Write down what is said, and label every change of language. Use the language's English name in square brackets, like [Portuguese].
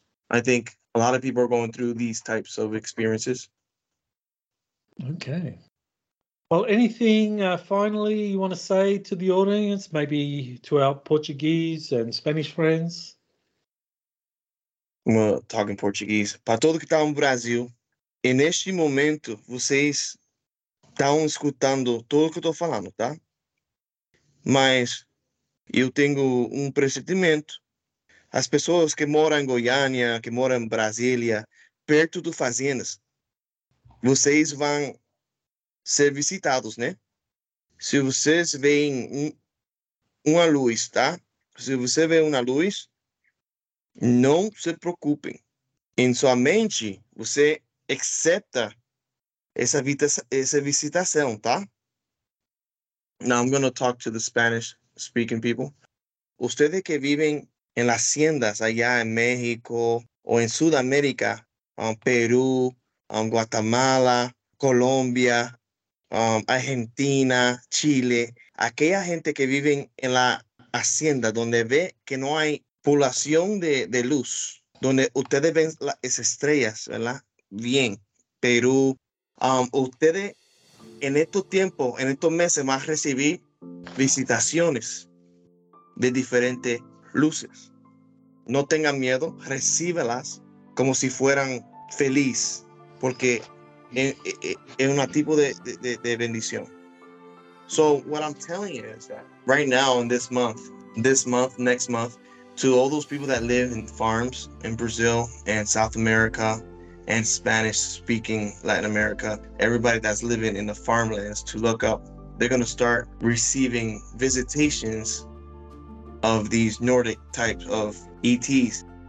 [English] I think a lot of people are going through these types of experiences. Okay. Well, anything finally you want to say to the audience, maybe to our Portuguese and Spanish friends? Talking Portuguese. [Portuguese] Para todo que está no Brasil, e neste momento, vocês estão escutando tudo que eu estou falando, tá? Mas eu tenho pressentimento. As pessoas que moram em Goiânia, que moram em Brasília, perto do fazendas, vocês vão ser visitados, né? Se vocês veem uma luz, tá? Se você vê uma luz, não se preocupem. Em sua mente, você accepta essa visitação, tá? [English] Now I'm going to talk to the Spanish-speaking people. [Spanish] Ustedes [Portuguese] que vivem em [Spanish] las haciendas allá em México ou em Sudamérica, Peru, Guatemala, Colômbia, Argentina, Chile, aquella gente que vive en la hacienda donde ve que no hay población de luz, donde ustedes ven las estrellas, ¿verdad? Bien. Perú, ustedes en estos tiempos, en estos meses, van a recibir visitaciones de diferentes luces. No tengan miedo, recíbelas como si fueran feliz, porque es un tipo de bendición. [English] So what I'm telling you is that right now in this month, next month, to all those people that live in farms in Brazil and South America and Spanish-speaking Latin America, everybody that's living in the farmlands, to look up, they're going to start receiving visitations of these Nordic types of ETs.